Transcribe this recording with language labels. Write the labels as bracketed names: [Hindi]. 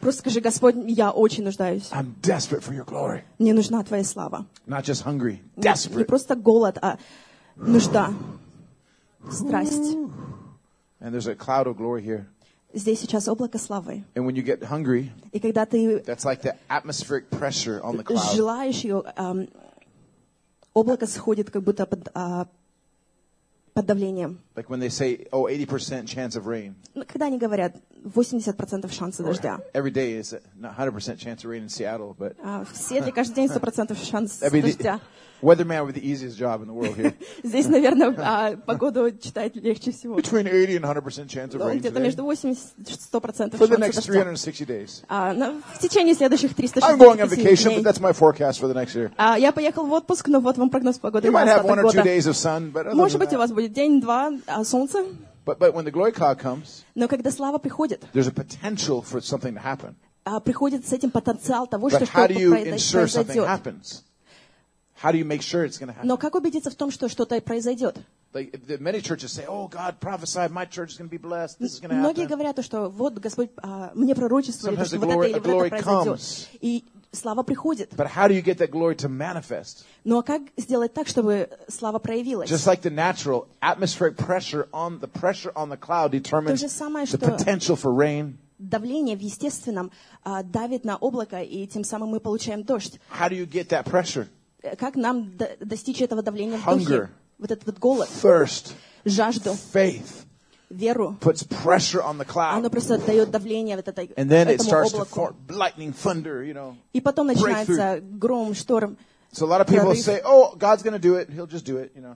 [Russian] Просто скажи, Господь, я очень нуждаюсь. [English] I'm desperate for your glory. [Russian] Мне нужна твоя слава. [English] Not just hungry, desperate. [Russian] Не просто голод, а нужда, страсть. [English] And there's a cloud of glory here. [Russian] Здесь сейчас облако славы. [English] And when you get hungry, [Russian] и когда ты [English] that's like the atmospheric pressure on the cloud. [Russian] Желаешь ее, облако сходит как будто под, под давлением. [English] Like when they say, oh, 80% chance of rain. [Russian] Ну, когда они говорят, 80% шанса дождя. [English] Every day is a 100% chance of rain in Seattle, but. [Russian] В Сиэтле каждый день 100% шанс дождя. [English] Weatherman with the easiest job in the world here. [Russian] Здесь, наверное, погоду читать легче всего. [English] Between 80 and 100% chance of rain. [Russian] Где-то между 80-100% [English] For the next 360 days. [Russian] В течение следующих 360 дней. [English] I'm going on vacation, but that's my forecast for the next year. [Russian] Я поехал в отпуск, но вот вам прогноз погоды. [English] You might have one or two days of sun, but [Russian] может быть у вас будет день-два солнца. [English] But when the glory cloud comes. [Russian] Но когда слава приходит. [English] There's a potential for something to happen. [Russian] Приходит с этим потенциал того, что что-то произойдет. [English] But how do you ensure something happens? How do you make sure it's going to happen? [Russian] Но как убедиться в том, что что-то произойдет? [English] Like, many churches say, "Oh God, prophesy, my church is going to be blessed. This is going to happen." [Russian] Многие говорят, что вот Господь мне пророчествует, что вот это или вот это произойдет. И слава приходит. [English] But how do you get that glory to manifest? [Russian] Ну а как сделать так, чтобы слава проявилась? [English] Just like the natural atmospheric pressure on the pressure on the cloud determines the potential for rain. [Russian] Давление в естественном давит на облако, и тем самым мы получаем дождь. [English] How do you get that pressure? [Russian] Как нам достичь этого давления в [English] Hunger, [Russian] духе? Вот этот вот голод. [English] Thirst, [Russian] жажду. [English] Faith, [Russian] веру. [English] Puts pressure on the cloud. [Russian] Оно просто дает давление в вот это, [English] And then [Russian] этому [English] it starts [Russian] облаку. [English] To form lightning, thunder, you know, [Russian] и потом начинается гром, шторм. [English] So a lot of people say, oh, God's going to do it, he'll just do it, you know.